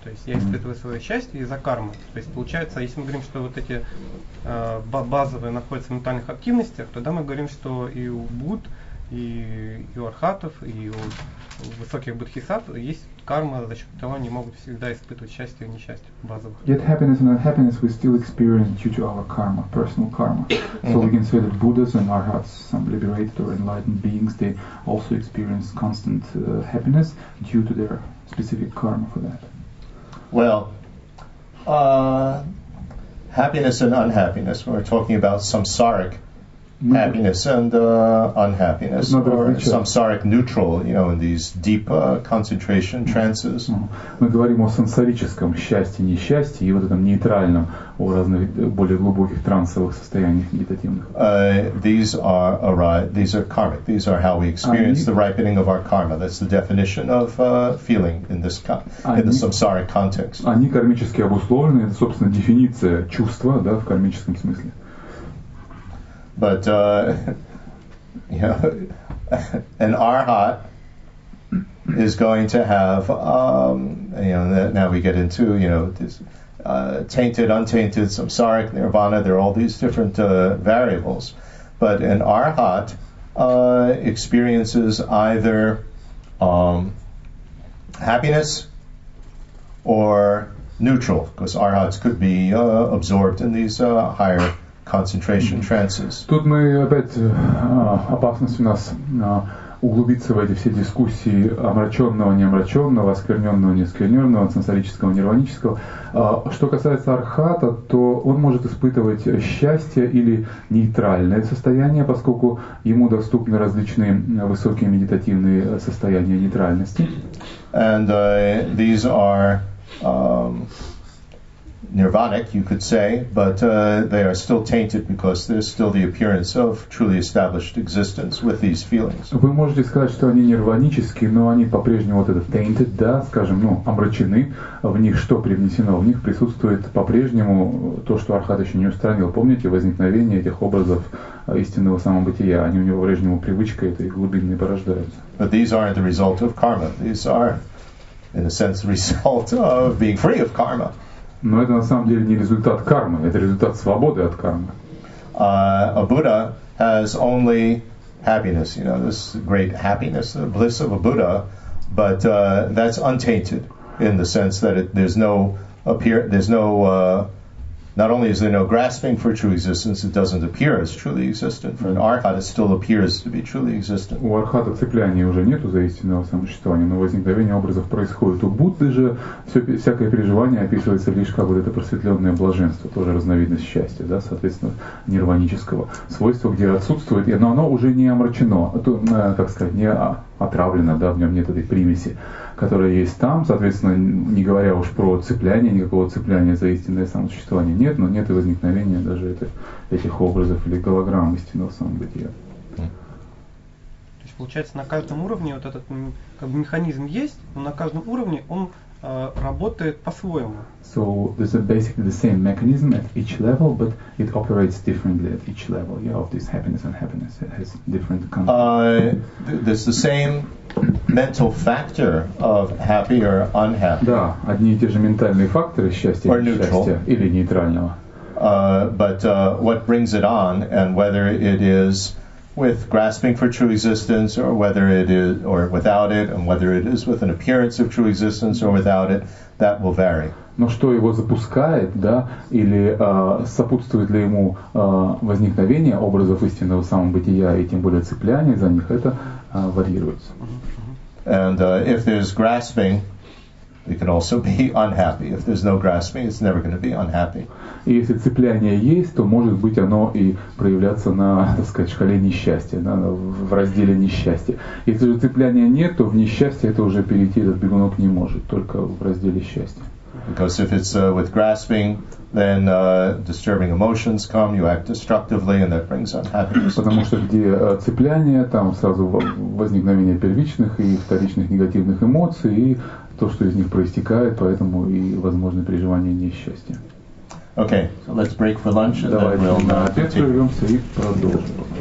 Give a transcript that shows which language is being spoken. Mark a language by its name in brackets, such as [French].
[Russian] То есть я испытываю свое счастье из-за кармы. То есть получается, если мы говорим, что вот эти базовые находятся в ментальных активностях, тогда мы говорим, что и у Будд, и у Архатов, и у высоких Бодхисаттв есть карма, за счет того они могут всегда испытывать счастье и несчастье базовых. [English] Yet happiness and unhappiness we still experience due to our karma, personal karma. So we can say that Buddhas and Arhats, some liberated or enlightened beings, they also experience constant happiness due to their specific karma for that. Well, happiness and unhappiness, we're talking about samsaric happiness and unhappiness, or samsaric neutral, you know, in these deep concentration trances. [Russian] Мы говорим о сансарическом счастье, несчастье, и вот этом нейтральном, о разных более глубоких трансовых состояниях медитативных. [English] These are karmic. These are how we experience the ripening of our karma. That's the definition of feeling in this in the samsaric context. [Russian] Они кармически обусловлены. Это, собственно, дефиниция чувства, да, в кармическом смысле. [English] But an arhat is going to have now we get into this tainted, untainted, samsaric, nirvana. There are all these different variables, but an arhat experiences either happiness or neutral, because arhats could be absorbed in these higher concentration trances. [Russian] Тут мы опять опасность у нас углубиться в эти все дискуссии омраченного, неомраченного, оскверненного, нескверненного, сенсорического, нирванического. Что касается архата, то он может испытывать счастье или нейтральное состояние, поскольку ему доступны различные высокие медитативные состояния нейтральности. [English] And these are nirvanic, you could say, but they are still tainted because there's still the appearance of truly established existence with these feelings. [Russian] Вы можете сказать, что они нирванические, но они по-прежнему вот этот tainted, да, скажем, ну, омрачены, в них что привнесено, в них присутствует по-прежнему то, что Архат еще не устранил. Помните возникновение этих образов истинного самобытия, они у него по-прежнему привычка этой глубинной порождаются. [English] But these aren't the result of karma. These are, in a sense, the result of being free of karma. [Russian] Но это на самом деле не результат кармы, это результат свободы от кармы. [English] A Buddha has only happiness, you know, this great happiness, the bliss of a Buddha, but that's untainted in the sense that not only is there no grasping for true existence, it doesn't appear as truly existent. For an arhat, it still appears to be truly existent. [Russian] У архата цепляния уже нету за истинное самосуществование, но возникновение образов происходит. У Будды же всякое переживание описывается лишь как вот это просветленное блаженство, тоже разновидность счастья, да, соответственно, нирванического свойства, где отсутствует, но оно уже не омрачено, не отравлено, да, в нем нет этой примеси, которая есть там, соответственно, не говоря уж про цепляние, никакого цепляния за истинное самосуществование нет, но нет и возникновения даже этих образов или голограмм истинного самобытия. То есть получается, на каждом уровне вот этот как бы механизм есть, но на каждом уровне он работает по-своему. [English] So this is basically the same mechanism at each level, but it operates differently at each level. Yeah, of this happiness and unhappiness, it has different kinds. There's the same mental factor of happy or unhappy. [Russian] Да, одни и те же ментальные факторы счастья [English] or neutral, [Russian] счастья, или нейтрального. [English] What brings it on, and whether it is with grasping for true existence, or whether it is, or without it, and whether it is with an appearance of true existence, or without it, that will vary. [Russian] Но что его запускает, да, или сопутствует ли ему возникновение образов истинного самобытия, и тем более цепляние за них, это варьируется. [English] And if there's grasping, We can also be unhappy. If there's no grasping, it's never going to be unhappy. [Russian] И если цепляние есть, то может быть оно и проявляться на, так сказать, шкале несчастья, на, в разделе несчастья. Если же цепляния нет, то в несчастье это уже перейти этот бегунок не может, только в разделе счастья. [English] Because if it's with grasping, then disturbing emotions come, you act destructively, and that brings unhappiness. [Russian] Потому что где цепляние, там сразу возникновение первичных и вторичных негативных эмоций, и то, что из них проистекает, поэтому и возможны переживания несчастья. [English] Okay, so let's break for lunch, and [Russian] давайте [English] then we'll [Russian] на обед прервемся и продолжим.